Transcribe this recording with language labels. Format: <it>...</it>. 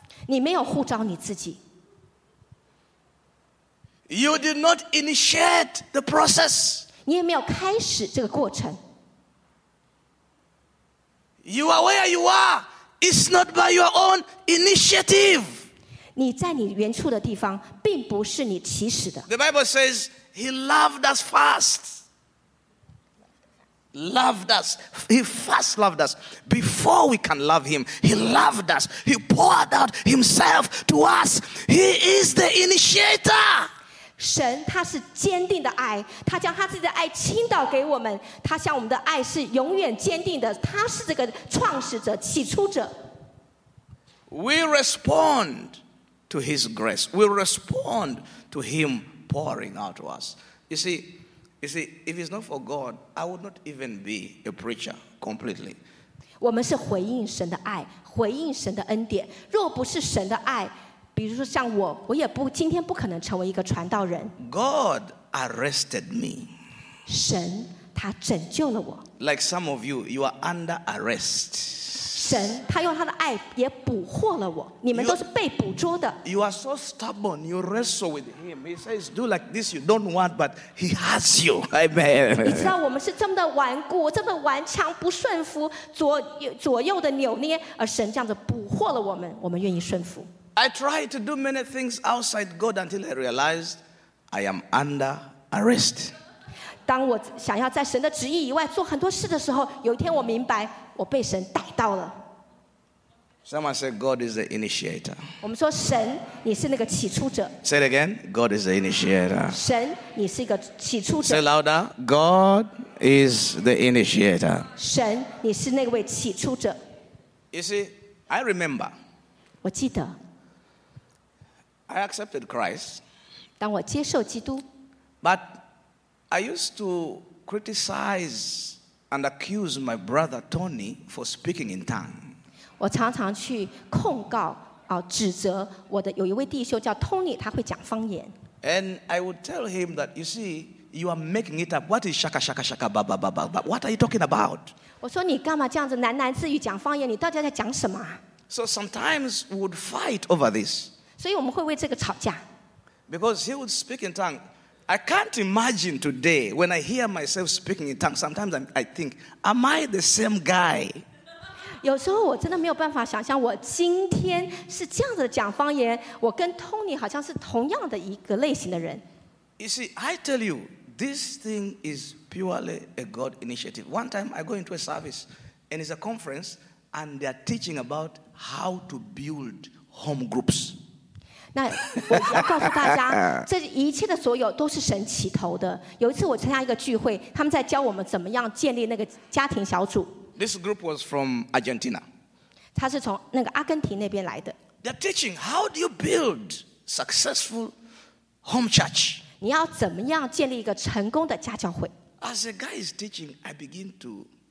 <zh>你没有呼召你自己，</zh> <en>You did not initiate the process,</en> <zh>你也没有开始这个过程。</zh> <en>You are where you are, it's not by your own initiative.</en> <zh>你在你原处的地方并不是你起始的。</zh> <en>The Bible says he loved us first. Loved us. He first loved us. Before we can love him, he loved us. He poured out himself to us. He is the initiator.</en> <zh>神他是坚定的爱，他将他自己的爱倾倒给我们，他向我们的爱是永远坚定的，他是这个创始者，起初者。</zh> <en>We respondTo his grace. We respond to him pouring out to us. You see, if it's not for God, I would not even be a preacher completely.</en> <zh>我们是回应神的爱，回应神的恩典。若不是神的爱，比如说像我，我也不今天不可能成为一个传道人。</zh> <en>God arrested me.</en> <zh>神他拯救了我。</zh> <en>Like some of you are under arrest.</en> <zh>神他用他的爱也捕获了我，你们都是被捕捉的。</zh> <en>You are so stubborn, you wrestle with him. He says, do like this, you don't want, but he has you. Amen.</en> <zh>你知道我们是这么的顽固，这么顽强，不顺服，左右的扭捏，而神这样子捕获了我们，我们愿意顺服。</zh> <en>I tried to do many things outside God until I realized I am under arrest.</en> <zh>当我想要在神的旨意以外做很多事的时候，有一天我明白我被神逮到了。</zh> <en>Someone said God is the initiator.</en> <zh>我们说神你是那个起初者。</zh> <en>Say it again, God is the initiator.</en> <zh>神你是一个起初者。</zh> <en>Say louder, God is the initiator.</en> <zh>神你是那位起初者。</zh> <en>You see, I remember,</en> <zh>我记得，</zh> <en>I accepted Christ,</en> <zh>当我接受基督，</zh> <en>but I used to criticize and accuse my brother Tony for speaking in tongues.</en> <zh>我常常去控告啊，指责我的有一位弟兄叫 Tony， 他会讲方言。</zh> <en>And I would tell him that you see, you are making it up. What is shaka shaka shaka ba ba ba ba ba? What are you talking about?</en> <zh>我说你干嘛这样子喃喃自语讲方言？你到底在讲什么</zh> <en>？So sometimes we would fight over this.</en> <zh>所以我们会为这个吵架。</zh> <en>Because he would speak in tongues. I can't imagine today when I hear myself speaking in tongues. Sometimes I think, am I the same guy?</en> <zh>有时候我真的没有办法想象，我今天是这样子讲方言，我跟 Tony 好像是同样的一个类型的人。</zh> <en>You see, I tell you, this thing is purely a God initiative. One time I go into a service, and it's a conference, and they are teaching about how to build home groups.</en> <zh>那我要告诉大家，这一切的所有都是神起头的。有一次我参加一个聚会，他们在教我们怎么样建立那个家庭小组。</zh> <en>This group was from Argentina.</en> <zh>他是从那个阿根廷那边来的。</zh> <en>They're teaching how do you build successful home church.</en> <zh>你要怎么样建立一个成功的家教会？</zh> <en>As the guy is teaching, I begin to.</en>